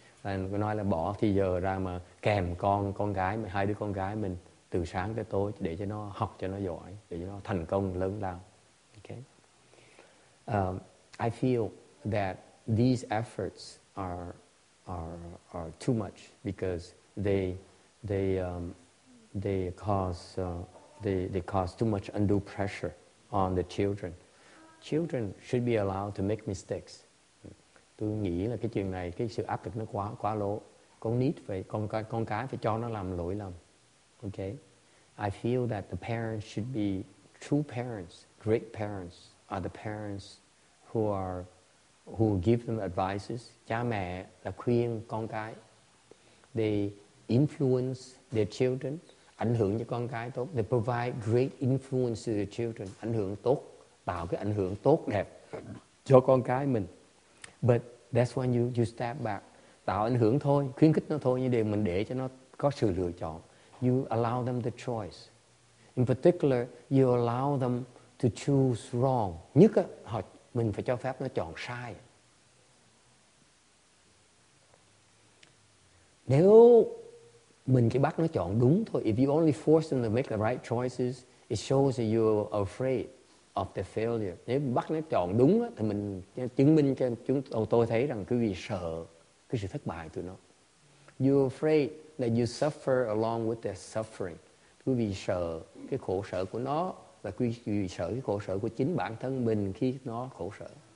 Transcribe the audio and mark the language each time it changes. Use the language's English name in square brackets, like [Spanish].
[Vietnamese] And nói là bỏ thì giờ ra mà kèm con gái mình, hai đứa con gái mình từ sáng tới tối để cho nó học cho nó giỏi, để cho nó thành công lớn lao. [English] Okay. I feel that these efforts are too much because they cause too much undue pressure on the children. Children should be allowed to make mistakes. [Vietnamese] Tôi nghĩ là cái chuyện này, cái sự áp lực nó quá lố. Con cái phải cho nó làm lỗi lầm. [English] Okay? I feel that the parents should be true parents, great parents, are the parents who give them advices. [Vietnamese] Cha mẹ là khuyên con cái. [English] They influence their children, [Vietnamese] ảnh hưởng cho con cái tốt. [English] They provide great influence to their children, [Vietnamese] ảnh hưởng tốt, tạo cái ảnh hưởng tốt đẹp cho con cái mình. [English] But that's when you step back. [Vietnamese] Tạo ảnh hưởng thôi, khuyến khích nó thôi, nhưng để mình để cho nó có sự lựa chọn. [English] You allow them the choice. In particular, you allow them to choose wrong. [Vietnamese] Nhất á, mình phải cho phép nó chọn sai. Nếu mình chỉ bắt nó chọn đúng thôi, [English] if you only force them to make the right choices, it shows that you're afraid of the failure. [Vietnamese] Nếu bắt nó chọn đúng thì mình chứng minh cho chúng tôi thấy rằng quý vị sợ cái sự thất bại của nó. [English] You're afraid that you suffer along with their suffering. [Vietnamese] Quý vị sợ cái khổ sở của nó và quý vị sợ cái khổ sở của chính bản thân mình khi nó khổ sở.